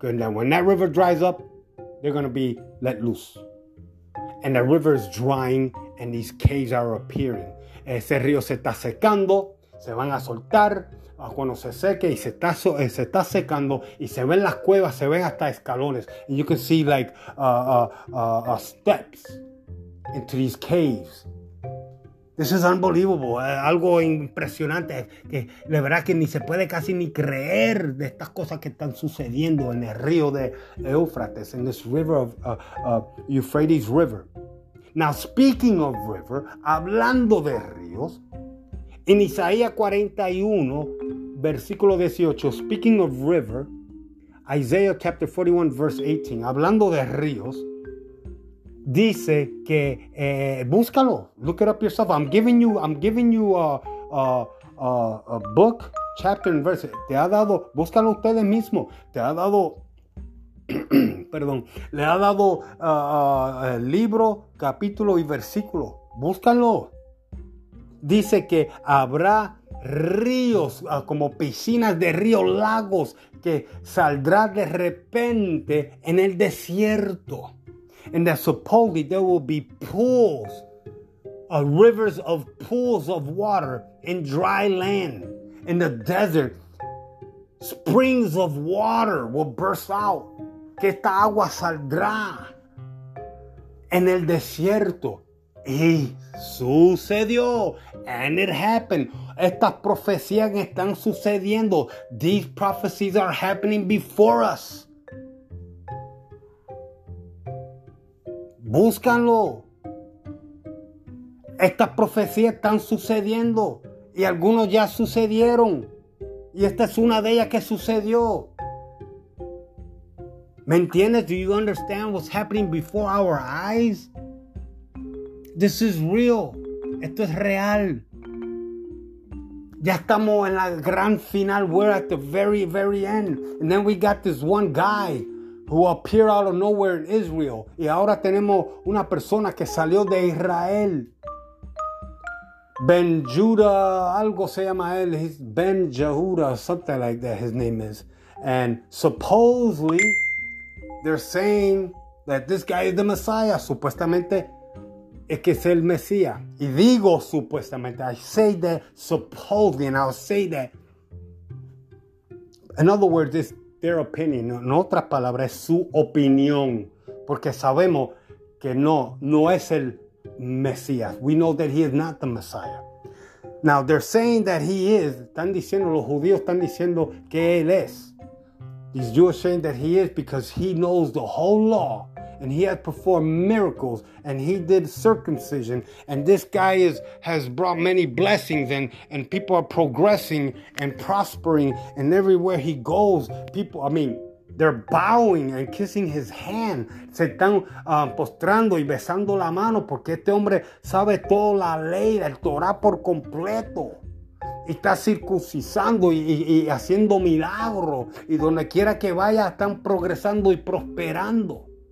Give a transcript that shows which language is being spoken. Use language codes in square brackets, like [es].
[en] And when that river dries up, they're going to be let loose. And the river is drying and these caves are appearing. [es] Ese río se está secando, se van a soltar cuando se seque y se está secando y se ven las cuevas, se ven hasta escalones. [en] And you can see like steps into these caves. This is unbelievable, [es] algo impresionante, que la verdad que ni se puede casi ni creer de estas cosas que están sucediendo en el río de Eufrates, [en] in this river of Euphrates River. Now, speaking of river, [es] hablando de ríos, en Isaías 41, versículo 18, [en] speaking of river, Isaiah chapter 41, verse 18, [es] hablando de ríos, dice que búscalo, [en] look it up yourself. I'm giving you a book, chapter and verse. [es] Te ha dado, búscalo ustedes mismos. Te ha dado, perdón, le ha dado libro, capítulo y versículo. Búscalo. Dice que habrá ríos, como piscinas de ríos, lagos, que saldrá de repente en el desierto. [en] And that supposedly there will be pools, rivers of pools of water in dry land, in the desert. Springs of water will burst out. [es] Que esta agua saldrá en el desierto. Y sucedió. [en] And it happened. [es] Estas profecías están sucediendo. [en] These prophecies are happening before us. [es] Búscalo. Estas profecías están sucediendo y algunos ya sucedieron. Y esta es una de ellas que sucedió. ¿Me entiendes? [en] Do you understand what's happening before our eyes? This is real. [es] Esto es real. Ya estamos en la gran final. [en] We're at the very, very end. And then we got this one guy who appear out of nowhere in Israel. [es] Y ahora tenemos una persona que salió de Israel. Ben Judah, algo se llama él. [en] He's Ben Jehuda, something like that his name is. And supposedly, they're saying that this guy is the Messiah. [es] Supuestamente, es que es el Mesías. Y digo supuestamente, [en] I say that supposedly, and I'll say that. In other words, this their opinion, [es] en otras palabras, es su opinión, porque sabemos que no es el Mesías. [en] We know that he is not the Messiah. Now, they're saying that he is, [es] están diciendo, los judíos están diciendo que él es. [en] These Jews are saying that he is because he knows the whole law, and he has performed miracles, and he did circumcision, and this guy has brought many blessings, and people are progressing and prospering, and everywhere he goes, people, I mean, they're bowing and kissing his hand. [es] Se están postrando y besando la mano porque este hombre sabe toda la ley, el Torah por completo. Y está circuncisando y haciendo milagros, y donde quiera que vaya están progresando y prosperando.